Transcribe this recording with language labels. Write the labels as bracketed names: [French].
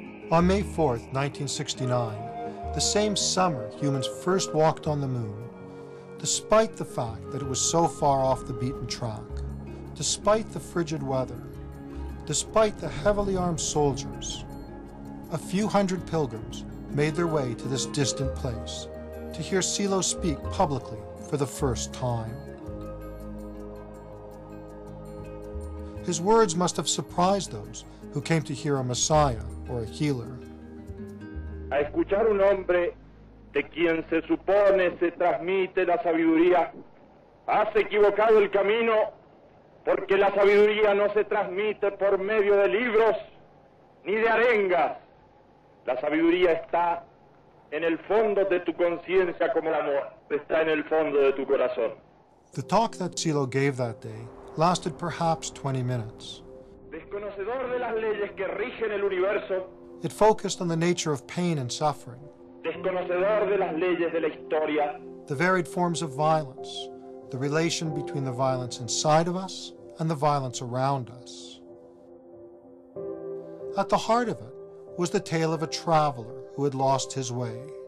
[English] On May 4th, 1969, the same summer humans first walked on the moon, despite the fact that it was so far off the beaten track, despite the frigid weather, despite the heavily armed soldiers, a few hundred pilgrims made their way to this distant place to hear Silo speak publicly for the first time. His words must have surprised those who came to hear a messiah or a healer. [Spanish] A escuchar un hombre de quien se supone se transmite la sabiduría, has equivocado el camino, porque la sabiduría no se transmite por medio de libros ni de arengas. La sabiduría está en el fondo de tu conciencia como el amor está en el fondo de tu corazón. [English] The talk that Silo gave that day lasted perhaps 20 minutes. [Spanish] Desconocedor de las leyes que rigen el universo, [English] it focused on the nature of pain and suffering, [Spanish] desconocedor de las leyes de la historia, [English] the varied forms of violence, the relation between the violence inside of us and the violence around us. At the heart of it was the tale of a traveler who had lost his way.